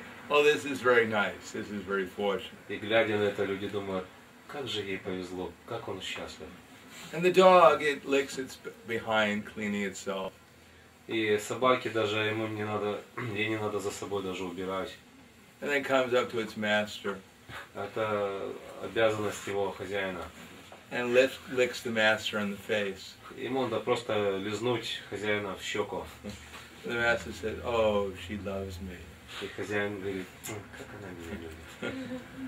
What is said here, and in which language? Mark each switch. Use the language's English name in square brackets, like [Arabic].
[English] Oh, this is very nice, this is very fortunate. [Russian] И глядя на это, люди думают, как же ей повезло, как он счастлив. [English] And the dog, it licks its behind, cleaning itself. [Russian] И собаке даже ему не надо, ей не надо за собой даже убирать. [English] And then comes up to its master. [Russian] Это обязанность его хозяина. [English] And licks the master in the face. [Russian] Ему надо просто лизнуть хозяина в щеку. [English] The master said, "Oh, she loves me." [Russian] И хозяин говорит, как она меня любит.